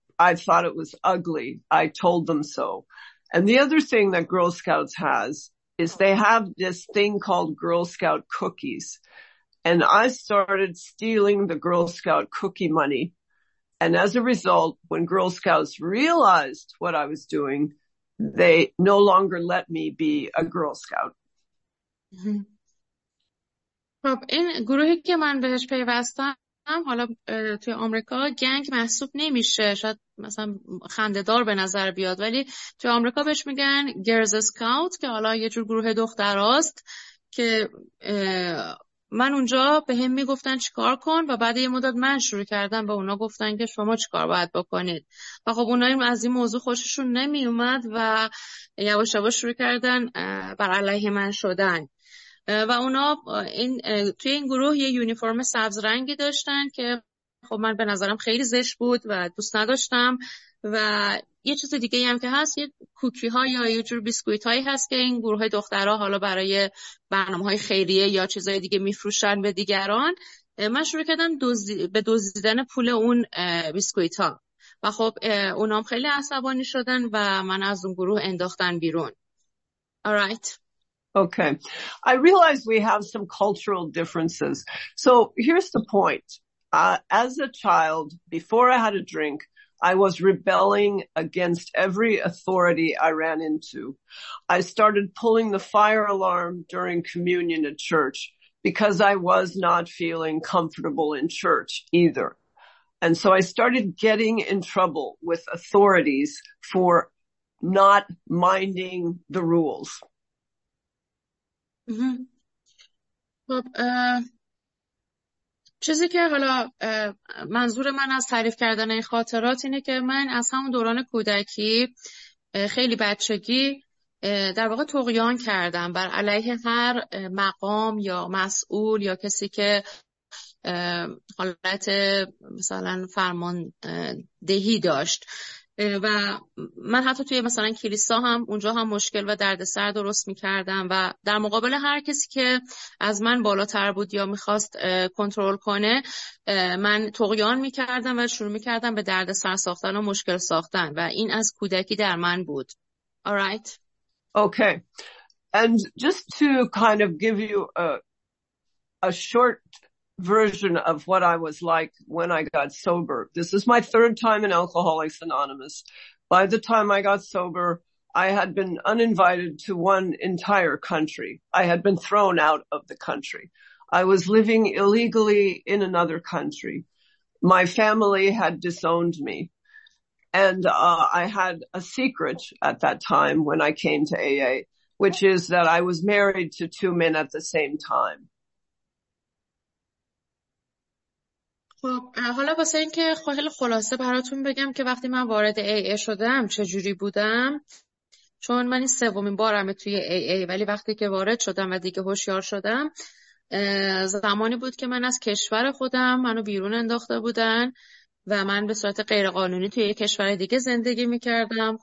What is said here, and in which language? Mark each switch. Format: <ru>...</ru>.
<en>I thought it was ugly. I told them so. And the other thing that Girl Scouts has is they have this thing called Girl Scout cookies. And I started stealing the Girl Scout cookie money. And as a result, when Girl Scouts realized what I was doing, they no longer let me be a Girl Scout.</en> <fa>خب این گروهی که من بهش پیوستم حالا توی آمریکا گنگ محسوب نمیشه، شاید مثلا خنده‌دار به نظر بیاد، ولی توی آمریکا بهش میگن گرلز اسکاوت که حالا یه جور گروه دختراست که من اونجا به هم میگفتن چیکار کن و بعد یه مدت من شروع کردم به اونا گفتن که شما چیکار باید بکنید و خب اونا از این موضوع خوششون نمیومد و یواش یواش شروع کردن بر علیه من شدن و اونا توی این گروه یه یونیفرم سبز رنگی داشتن که خب من به نظرم خیلی زشت بود و دوست نداشتم و یه چیز دیگه هم که هست یه کوکی ها یا یه جور بیسکویت هایی هست که این گروه دخترها حالا برای برنامه های خیریه یا چیزهای دیگه میفروشن به دیگران من شروع کردن به دزدیدن پول اون بیسکویت ها و خب اونا هم خیلی عصبانی شدن و من از اون گروه انداختن بیرون.</fa> <en>All right. Okay. I realize we have some cultural differences. So here's the point. As a child, before I had a drink, I was rebelling against every authority I ran into. I started pulling the fire alarm during communion at church because I was not feeling comfortable in church either. And so I started getting in trouble with authorities for not minding the rules.</en> <fa>خب چیزی که حالا منظور من از تعریف کردن این خاطرات اینه که من از همون دوران کودکی خیلی بچگی در واقع طغیان کردم بر علیه هر مقام یا مسئول یا کسی که حالت مثلا فرمان دهی داشت و من حتی توی مثلا کلیسا هم اونجا هم مشکل و دردسر درست می‌کردم و در مقابل هر کسی که از من بالاتر بود یا می‌خواست کنترل کنه من طغیان می‌کردم و شروع می‌کردم به دردسر ساختن و مشکل ساختن و این از کودکی در من بود.</fa> <en>All right. Okay. And just to kind of give you a short version of what I was like when I got sober. This is my third time in Alcoholics Anonymous. By the time I got sober, I had been uninvited to one entire country. I had been thrown out of the country. I was living illegally in another country. My family had disowned me. And I had a secret at that time when I came to AA, which is that I was married to two men at the same time.</en> <fa>خب حالا واسه این که خیلی خلاصه براتون بگم که وقتی من وارد AA شدم چجوری بودم، چون من این سومین بارمه توی AA ولی وقتی که وارد شدم و دیگه هوشیار شدم زمانی بود که من از کشور خودم منو بیرون انداخته بودن و من به صورت غیرقانونی توی یک کشور دیگه زندگی میکردم.</fa>